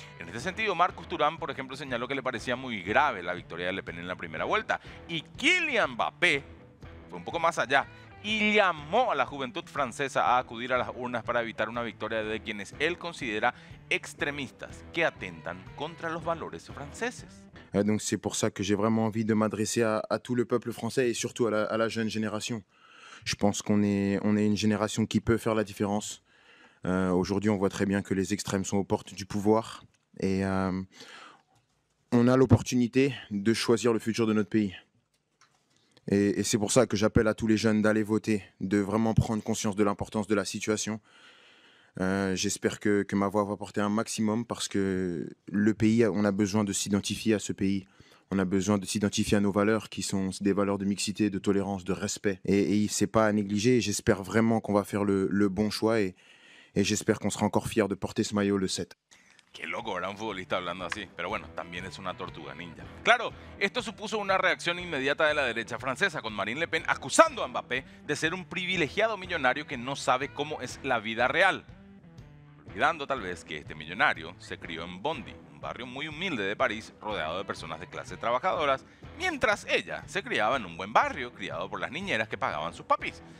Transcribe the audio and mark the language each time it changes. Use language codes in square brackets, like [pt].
[es] En este sentido, Marcus Thuram, por ejemplo, señaló que le parecía muy grave la victoria de Le Pen en la primera vuelta. Y Kylian Mbappé fue un poco más allá y llamó a la juventud francesa a acudir a las urnas para evitar una victoria de quienes él considera extremistas que atentan contra los valores franceses. [fr] Donc c'est pour ça que j'ai vraiment envie de m'adresser à tout le peuple français et surtout à la jeune génération. Je pense qu'on est une génération qui peut faire la différence. Aujourd'hui, on voit très bien que les extrêmes sont aux portes du pouvoir et on a l'opportunité de choisir le futur de notre pays. Et c'est pour ça que j'appelle à tous les jeunes d'aller voter, de vraiment prendre conscience de l'importance de la situation. J'espère que ma voix va porter un maximum parce que le pays, on a besoin de s'identifier à ce pays. On a besoin de s'identifier à nos valeurs qui sont des valeurs de mixité, de tolérance, de respect. Et c'est pas à négliger. J'espère vraiment qu'on va faire le bon choix et j'espère qu'on sera encore fiers de porter ce maillot le 7. [es] Qué loco, ¿verdad? Un futbolista hablando así. Pero bueno, también es una tortuga ninja. Claro, esto supuso una reacción inmediata de la derecha francesa, con Marine Le Pen acusando a Mbappé de ser un privilegiado millonario que no sabe cómo es la vida real. Olvidando tal vez que este millonario se crió en Bondi, un barrio muy humilde de París, rodeado de personas de clase trabajadoras, mientras ella se criaba en un buen barrio, criado por las niñeras que pagaban sus papis.